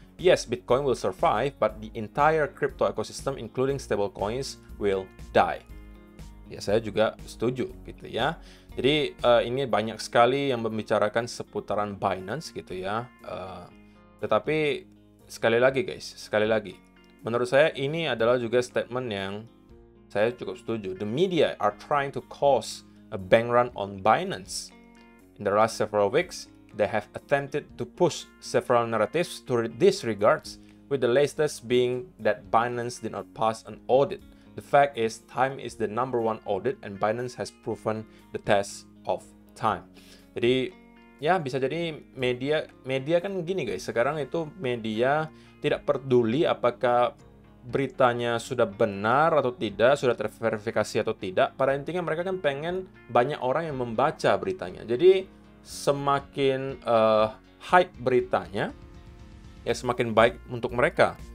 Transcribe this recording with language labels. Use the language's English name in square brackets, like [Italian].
[English] Yes, Bitcoin will survive, but the entire crypto ecosystem, including stablecoins, will die. [Indonesian] Ya, saya juga setuju, gitu ya. Jadi, ini banyak sekali yang membicarakan seputaran Binance, gitu ya. Tetapi, sekali lagi guys, sekali lagi. Menurut saya, ini adalah juga statement yang saya cukup setuju. [English] The media are trying to cause a bank run on Binance. In the last several weeks, they have attempted to push several narratives to disregards, with the latest being that Binance did not pass an audit. The fact is, time is the number one audit, and Binance has proven the test of time. [Indonesian] Jadi, ya bisa jadi media kan gini guys. Sekarang itu media tidak peduli apakah beritanya sudah benar atau tidak, sudah terverifikasi atau tidak. Pada intinya mereka kan pengen banyak orang yang membaca beritanya. Jadi semakin hype beritanya, ya semakin baik untuk mereka.